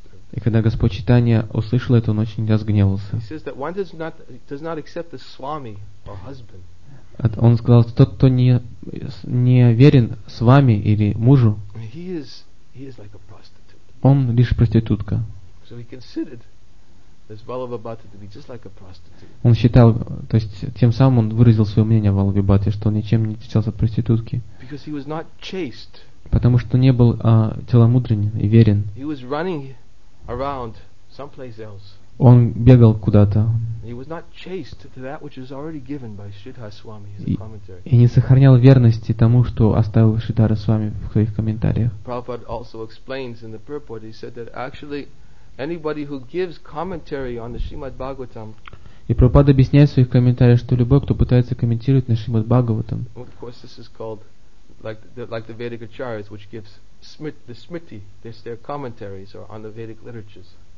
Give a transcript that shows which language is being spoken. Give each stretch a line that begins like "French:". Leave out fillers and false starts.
Russian: и когда Господь Чайтанья услышал это, он очень разгневался.
English: He says that one does not accept the swami or husband.
Russian: Он сказал, что тот, кто не верен свами или мужу,
English: he is like a prostitute.
Russian: Он лишь проститутка.
English: So he considered this Valabhabhata to be just like a prostitute.
Russian: Он считал, то есть тем самым он выразил свое мнение о Валабхабхате, что он ничем не отличался от проститутки.
English: Because he was not chaste.
Russian: Потому что не был целомудренен и верен.
English: He was running around someplace else.
Russian: Он бегал куда-то.
English: He was not chaste to that which was already given by Sridhar Swami as a commentary.
Russian: И не сохранял верности тому, что оставил Шридхара Свами в своих комментариях.
English: Prabhupada also explains in the purport, he said that actually anybody who gives commentary on the Srimad Bhagavatam.
Russian: И Прабхупада объясняет в своих комментариях, что любой, кто пытается комментировать на Шримад Бхагаватам.
English: Of course, this is called like the Vedic Acharyas, which gives the Smriti, their commentaries are on the Vedic literatures.